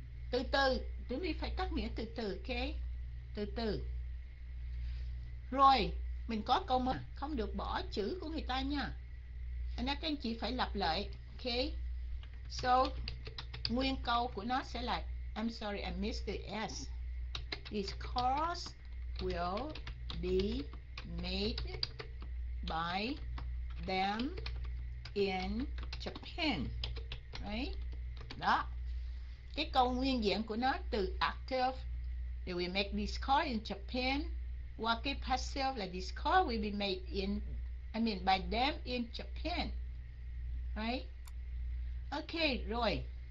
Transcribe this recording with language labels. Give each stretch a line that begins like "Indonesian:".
Vietnamese: Từ từ, chúng mình phải cắt nghĩa từ từ, ok? Từ từ. Rồi, mình có câu mới, không được bỏ chữ của người ta nha. Anh các anh chị phải lặp lại, ok? So, nguyên câu của nó sẽ là
English: I'm sorry, I missed the S. These cars will be made by them in Japan.
Vietnamese: Right? Đó. Cái câu nguyên diện của nó từ active,
English: they will make this car in Japan.
Vietnamese: Qua cái passive là
English: this car will be made in, I mean by them in Japan. Right?
Vietnamese: Ok, rồi.